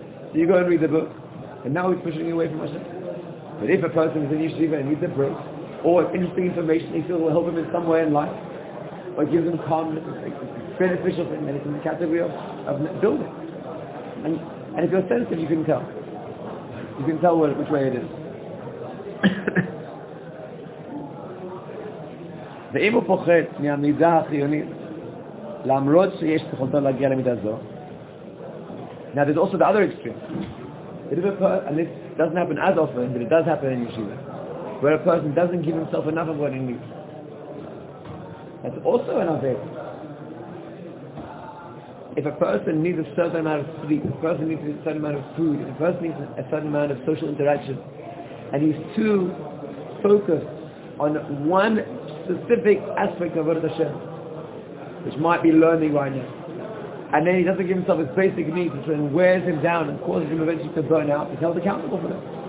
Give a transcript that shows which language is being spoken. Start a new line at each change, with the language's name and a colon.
English: So you go and read the book, and now he's pushing you away from Hashem. But if a person is in yeshiva and needs a break, or if interesting information he feels will help him in some way in life, or gives him calmness, it's beneficial for him, and it's in the category of building. And if you're sensitive, you can tell. You can tell which way it is.
Hebrew: ואם הוא פוחד מהמידה החיונית למרות שיש תכונתו להגיע למידה זו.
English: Now there's also the other extreme. It is a person, and this doesn't happen as often, but it does happen in yeshiva, where a person doesn't give himself enough of what he needs. That's also an avodah. If a person needs a certain amount of sleep, if a person needs a certain amount of food, if a person needs a certain amount of social interaction, and he's too focused on one specific aspect of avodat Hashem, which might be learning right now, and then he doesn't give himself his basic needs, which then wears him down and causes him eventually to burn out, he's held accountable for that.